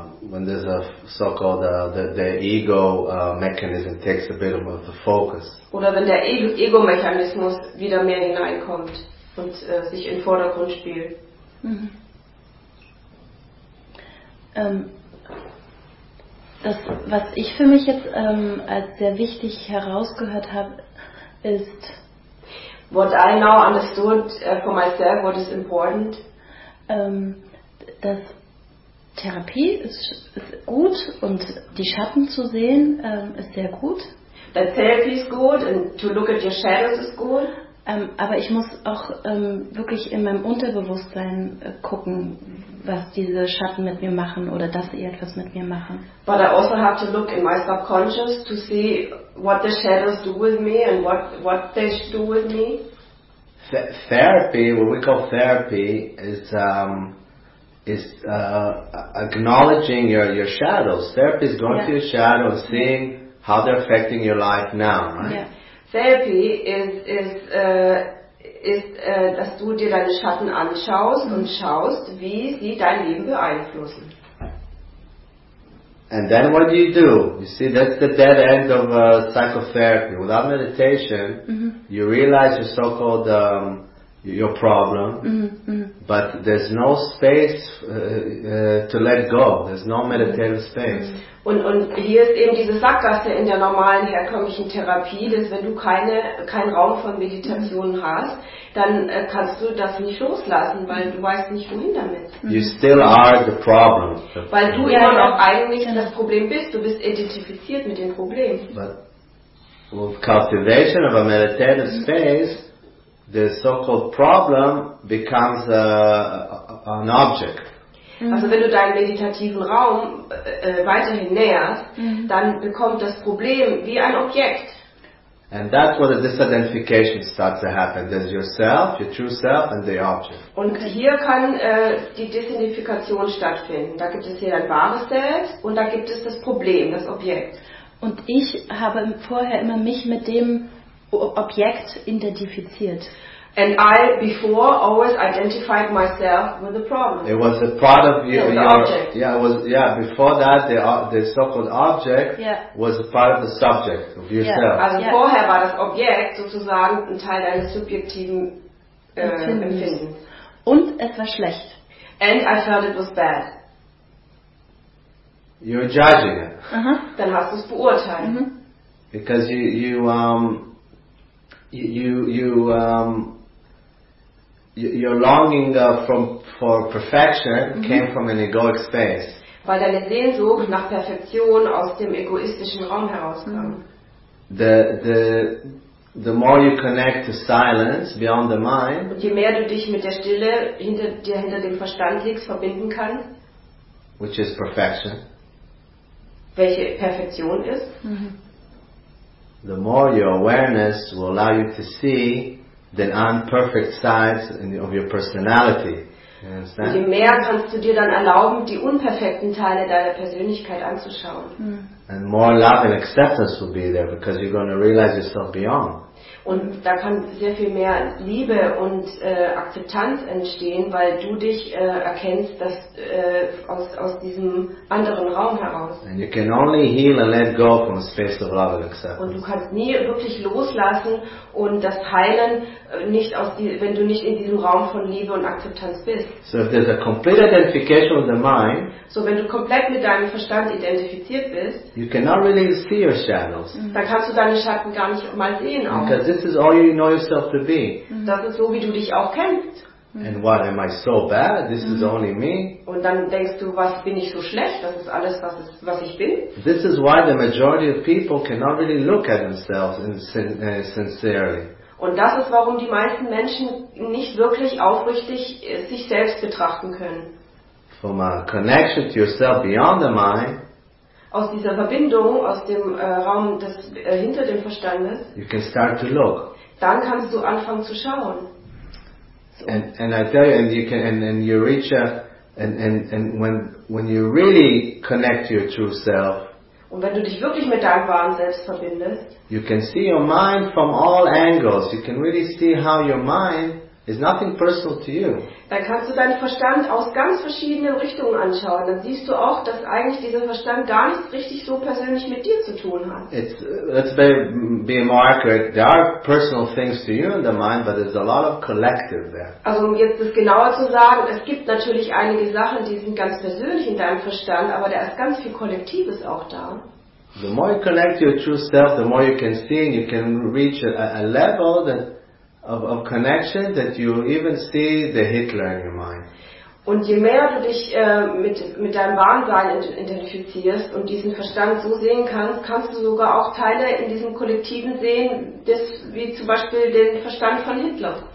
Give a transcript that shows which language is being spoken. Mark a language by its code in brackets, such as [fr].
[en] When there's a so-called the ego mechanism takes a bit of the focus. [de] Oder wenn der Ego Mechanismus wieder mehr hineinkommt und sich in Vordergrund spielt. Das, was ich für mich jetzt als sehr wichtig herausgehört habe, ist... [en] What I now understood for myself, what is important? [de] Dass Therapie ist gut und die Schatten zu sehen ist sehr gut. [en] That therapy is good and to look at your shadows is good. [de] Aber ich muss auch wirklich in meinem Unterbewusstsein gucken, was diese Schatten mit mir machen oder dass sie etwas mit mir machen. [en] But I also have to look in my subconscious to see what the shadows do with me and what they do with me. Therapy, what we call therapy, is acknowledging your shadows. Therapy is going to your shadow, seeing how they're affecting your life now, right? Yeah. [de] Therapy ist, dass du dir deine Schatten anschaust und schaust, wie sie dein Leben beeinflussen. [en] And then what do you do? You see, that's the dead end of psychotherapy. Without meditation, you realize your so-called your problem, but there's no space to let go. There's no meditative space. [de] Und hier ist eben diese Sackgasse in der normalen herkömmlichen Therapie, dass wenn du keinen Raum von Meditation hast, dann kannst du das nicht loslassen, weil du weißt nicht, wohin damit. [en] You still are the problem. [de] Weil du immer noch eigentlich das Problem bist. Du bist identifiziert mit dem Problem. [en] But with cultivation of a meditative space, the so-called problem becomes an object. [de] Also wenn du deinen meditativen Raum weiterhin näherst, dann bekommt das Problem wie ein Objekt. [en] And that's where the disidentification starts to happen. There's yourself, your true self and the object. [de] Und hier kann die Disidentifikation stattfinden. Da gibt es hier dein wahres Selbst und da gibt es das Problem, das Objekt. Und ich habe vorher immer mich mit dem Objekt identifiziert. [en] And I before always identified myself with the problem. It was a part of you, the your object. Yeah, it was before that the so-called object was a part of the subject of yourself. Yeah. [de] Also vorher war das Objekt sozusagen ein Teil deines subjektiven Empfindens. Und es war schlecht. [en] And I felt it was bad. You're judging it. [de] Dann hast du es beurteilt. [en] Because your longing for perfection came from an egoic space. [de] Weil deine Sehnsucht nach Perfektion aus dem egoistischen Raum herauskam. [en] The the more you connect to silence beyond the mind, [de] und je mehr du dich mit der Stille hinter dir, hinter dem Verstand liegst, verbinden kann, [en] which is perfection, [de] welche Perfektion ist, [en] the more your awareness will allow you to see the unperfect sides of your personality. [de] Und je mehr kannst du dir dann erlauben, die unperfekten Teile deiner Persönlichkeit anzuschauen. [en] And more love and acceptance will be there because you're going to realize yourself beyond. [de] Und da kann sehr viel mehr Liebe und Akzeptanz entstehen, weil du dich erkennst, dass aus diesem anderen Raum heraus. [en] And you can only heal and let go from a space of love and acceptance. [de] Und du kannst nie wirklich loslassen und das heilen, nicht aus wenn du nicht in diesem Raum von Liebe und Akzeptanz bist. [en] So if there's a complete identification with the mind, [de] so wenn du komplett mit deinem Verstand identifiziert bist, [en] you cannot really see your shadows. [de] Dann kannst du deine Schatten gar nicht mal sehen auch. [en] Because this is all you know yourself to be. [de] Das ist so, wie du dich auch kennst. [en] And what, am I so bad? This is only me. [de] Und dann denkst du, was bin ich so schlecht? Das ist alles, was ich bin. [en] This is why the majority of people cannot really look at themselves sincerely. [de] Und das ist, warum die meisten Menschen nicht wirklich aufrichtig sich selbst betrachten können. [en] From a connection to yourself beyond the mind, [de] aus dieser Verbindung, aus dem Raum des hinter dem Verstandes, [en] you can start to look. [de] Dann kannst du anfangen zu schauen. [en] And I tell you, and when you really connect to your true self, [de] und wenn du dich wirklich mit deinem wahren Selbst verbindest, [en] you can see your mind from all angles. You can really see how your mind is nothing personal to you. [de] Dann kannst du deinen Verstand aus ganz verschiedenen Richtungen anschauen. Dann siehst du auch, dass eigentlich dieser Verstand gar nicht richtig so persönlich mit dir zu tun hat. [en] Let's be more accurate. There are personal things to you in the mind, but there's a lot of collective there. [de] Also um jetzt das genauer zu sagen, es gibt natürlich einige Sachen, die sind ganz persönlich in deinem Verstand, aber da ist ganz viel Kollektives auch da. [en] The more you connect to your true self, the more you can see and you can reach a level that of connection that you even see the Hitler in your mind. [de] Und je mehr du dich mit deinem wahren Sein identifizierst und diesen Verstand so sehen kannst, kannst du sogar auch Teile in diesem Kollektiven sehen, des, wie zum Beispiel den Verstand von Hitler.